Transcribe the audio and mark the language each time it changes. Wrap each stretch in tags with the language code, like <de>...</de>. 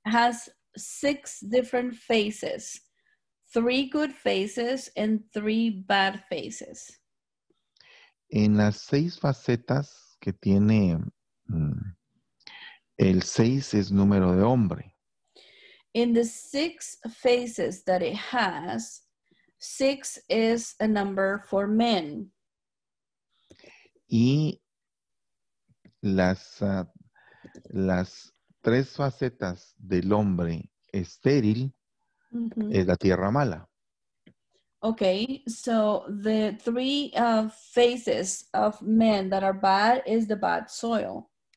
<en>Has 6 different faces, 3 good faces and 3 bad faces.</en> <es>En las 6 facetas que tiene, el 6 es número de hombre.</es> <en>In the 6 faces that it has, 6 is a number for men.</en> <es>Y las 3 facetas del hombre estéril, mm-hmm, es la tierra mala.</es> <en>Okay, so the 3 faces of men that are bad is the bad soil.</en>